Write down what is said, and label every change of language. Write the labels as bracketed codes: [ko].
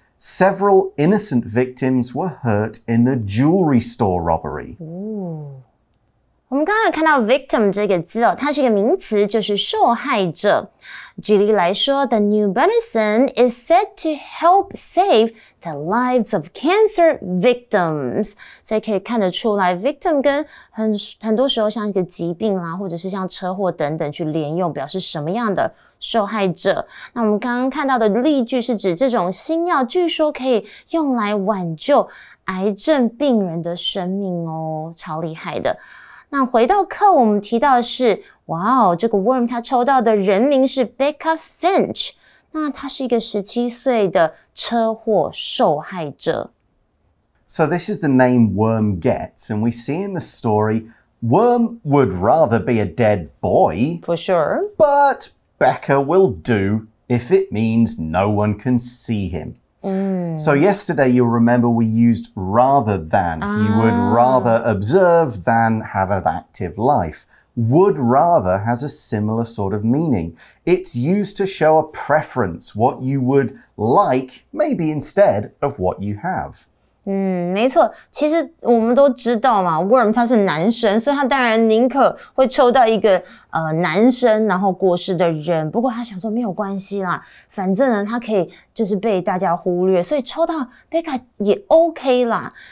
[en] Several innocent victims were hurt in the jewelry store robbery. [zh] Ooh. 我们刚才看到 victim 这个字哦，它是一个名词，就是受害者。举例来说 [en] ，the new medicine is said to help save the lives of cancer victims。 [zh] 所以可以看得出来 ，victim 跟很多时候像一个疾病啦，或者是像车祸等等去连用，表示什么样的受害者。那我们刚刚看到的例句是指这种新药据说可以用来挽救癌症病人的生命哦，超厉害的。那回到课我们提到的是哇哦这个 Worm 他抽到的人名是 Becca Finch, 那他是一个17岁的车祸受害者。 [en] So this is the name Worm gets, and we see in the story, Worm would rather be a dead boy. For sure. But Becca will do if it means no one can see him. So yesterday, you'll remember we used rather than. He would rather observe than have an active life. Would rather has a similar sort of meaning. It's used to show a preference, what you would like, maybe instead of what you have. [zh] 没错，其实我们都知道嘛 ,Worm 他是男生，所以他当然宁可会抽到一个男生然后过世的人，不过他想说没有关系啦，反正呢他可以就是被大家忽略，所以抽到 Becca 也 OK 啦。